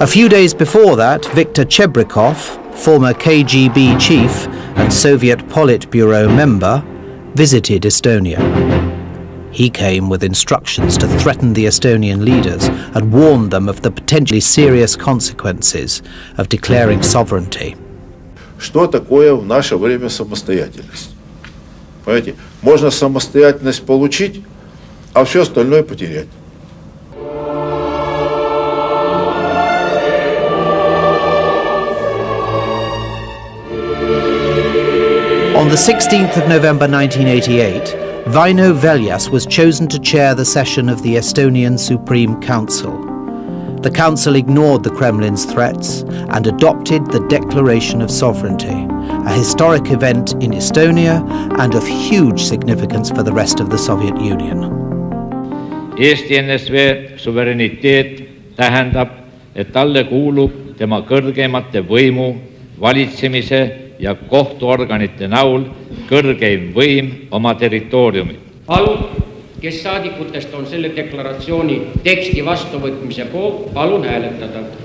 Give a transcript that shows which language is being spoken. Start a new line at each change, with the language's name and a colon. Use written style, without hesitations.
English: A few days before that, Viktor Chebrikov, former KGB chief and Soviet Politburo member, visited Estonia. He came with instructions to threaten the Estonian leaders and warn them of the potentially serious consequences of declaring sovereignty.
Russian: Что такое в наше время самостоятельность? Понимаете, можно самостоятельность получить, а все остальное потерять.
English: On the 16th of November 1988, Vaino Veljas was chosen to chair the session of the Estonian Supreme Council. The council ignored the Kremlin's threats and adopted the Declaration of Sovereignty, a historic event in Estonia and of huge significance for the rest of the Soviet Union.
Estonian: Eesti NSV suveräniteet tähendab, et talle kuulub tema kõrgemate võimu, valitsemise ja kohtuorganite näul kõrgeim võim oma territooriumi. Palun! Kes saadikutest on selle deklaratsiooni teksti vastuvõtmise poolt, palun hääletada.